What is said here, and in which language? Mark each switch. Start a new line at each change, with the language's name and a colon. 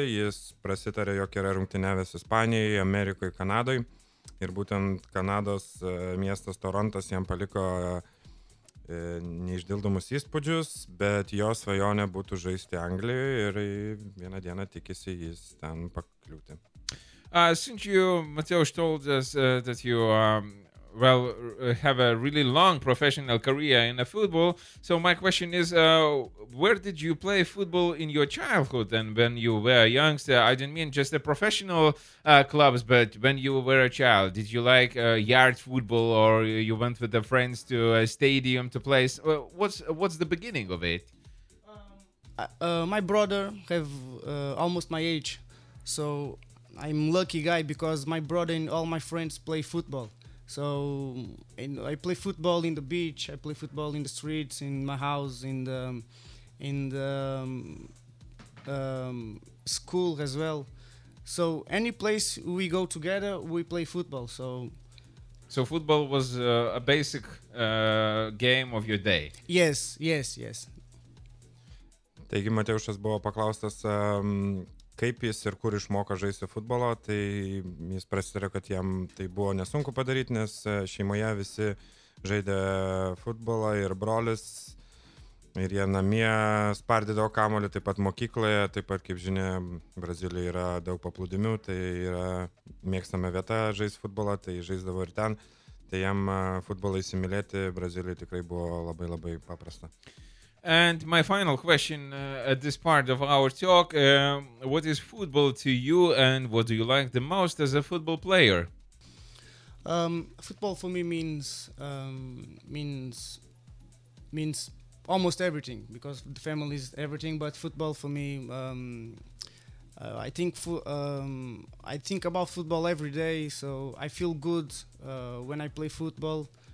Lithuanian: Jis prasitarė, jog yra rungtynėvęs Ispanijoje, Amerikoje, Kanadoje. Ir būtent Kanados miestas Torontas jam paliko neišdildomus įspūdžius, bet jo svajonė būtų žaisti Anglijoje ir vieną dieną tikisi jis ten pakliūti.
English: Since you, Mateuš, told us that you well, have a really long professional career in the football. So my question is, where did you play football in your childhood and when you were a youngster? I didn't mean just the professional clubs, but when you were a child, did you like yard football or you went with the friends to a stadium to play? So what's the beginning of it? My brother have almost my age, so I'm lucky guy because my brother and all my friends play football. So and I play football in the beach, I play football in the streets, in my house, in the school as well. So any place we go together, we play football. So football was a basic game of your day. Yes, yes, yes.
Lithuanian: Taigi, Mateušas buvo paklaustas, kaip jis ir kur išmoko žaisti futbolą, tai jis prasitarė, kad jam tai buvo nesunku padaryti, nes šeimoje visi žaidė futbolą ir brolis, ir jie namie spardydavo kamuolį, taip pat mokykloje, taip pat, kaip žinia, Brazilijoje yra daug paplūdimių, tai yra mėgstama vieta žaisti futbolą, tai žaisdavo ir ten, tai jam futbolą įsimylėti Brazilijoje tikrai buvo labai labai paprasta.
English: And my final question at this part of our talk, what is football to you and what do you like the most as a football player? Football for me means almost everything, because the family is everything, but football for me, I think about football every day, so I feel good when I play football.